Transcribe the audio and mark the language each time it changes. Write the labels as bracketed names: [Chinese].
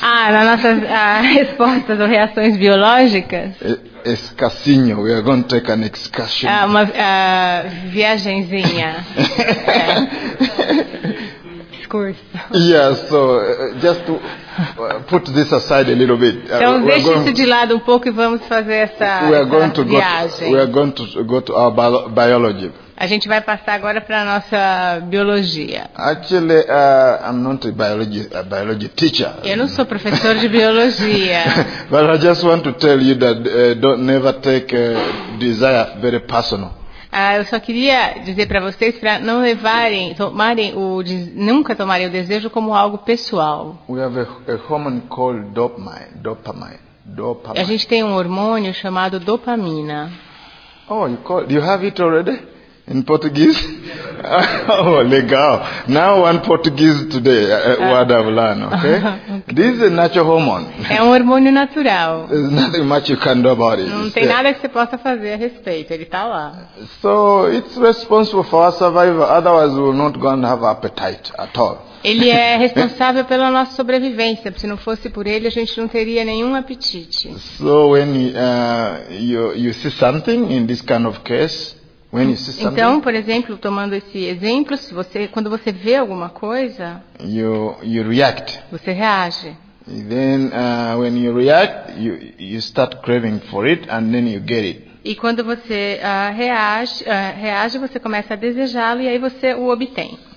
[Portuguese] Nas nossas respostas ou reações biológicas. [English] Escassinho, we are going to take an excursion. [Portuguese] Uma viagemzinha. [English] course. Yeah, so just to put this aside a little bit. [Portuguese] Então deixe isso de lado um pouco e vamos fazer essa viagem. [English] We are going to go to our biology. [Portuguese] A gente vai passar agora para a nossa biologia. [English] Actually, I'm not a biology teacher. [Portuguese] Eu não sou professor de biologia. [English] But I just want to tell you that don't never take desire very personal. [Portuguese] Eu só queria dizer para vocês para não levarem, nunca tomarem o desejo como algo pessoal. [English] We have a hormone called dopamine. [Portuguese] A gente tem um hormônio chamado dopamina. [English] Oh, you have it already? In Portuguese? Oh, legal. Now one Portuguese today, word I've learned, okay? This is a natural hormone. [Portuguese] É um hormônio natural. [English] There's nothing much you can do about it. [Portuguese] Não tem nada que você possa fazer a respeito, ele está lá. [English] So it's responsible for our survival, otherwise we're not going to have appetite at all. [Portuguese] Ele é responsável pela nossa sobrevivência. Se não fosse por ele, a gente não teria nenhum apetite. [English] So when you see something in this kind of case, when you see [Portuguese] então, por exemplo, tomando esse exemplo, se você, quando você vê alguma coisa, [English] you react. [Portuguese] Você reage. [English] And then when you react, you start craving for it and then you get it. [Portuguese] E quando você reage, você começa a desejá-lo e aí você o obtém.